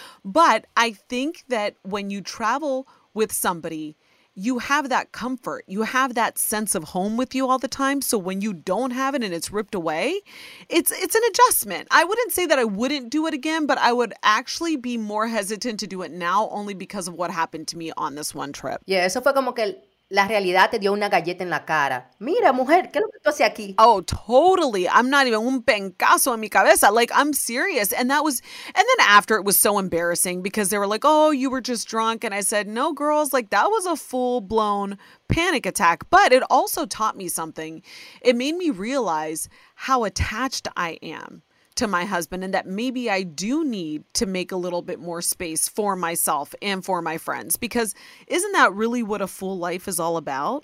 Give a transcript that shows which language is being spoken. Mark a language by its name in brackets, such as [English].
[English] But I think that when you travel with somebody, you have that comfort. You have that sense of home with you all the time. So when you don't have it and it's ripped away, it's an adjustment. I wouldn't say that I wouldn't do it again, but I would actually be more hesitant to do it now only because of what happened to me on this one trip. [Spanish] Yeah, eso fue como que la realidad te dio una galleta en la cara. Mira, mujer, ¿qué es lo que tú haces aquí? [English] Oh, totally. I'm not even [Spanish] un pencazo en mi cabeza. [English] Like, I'm serious. And that was, and then after, it was so embarrassing because they were like, oh, you were just drunk. And I said, no, girls, like, that was a full-blown panic attack. But it also taught me something. It made me realize how attached I am to my husband, and that maybe I do need to make a little bit more space for myself and for my friends, because isn't that really what a full life is all about?